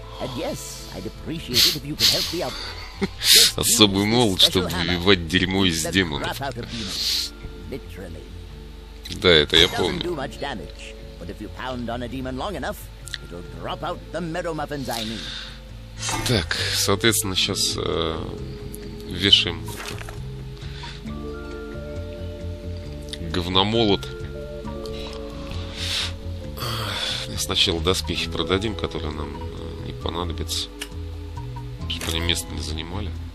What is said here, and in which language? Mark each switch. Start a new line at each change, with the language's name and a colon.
English: And yes, I'd appreciate it if you could help me out.
Russian: Особый молот, чтобы выбивать дерьмо из демонов.
English: Literally.
Russian: Да, это я помню.
English: It doesn't do much damage, but if you pound on a demon long enough, it'll drop out the marrow muffins I need.
Russian: Так, соответственно, сейчас вешаем говномолот. Сначала доспехи продадим, которые нам понадобится, чтобы они место не занимали.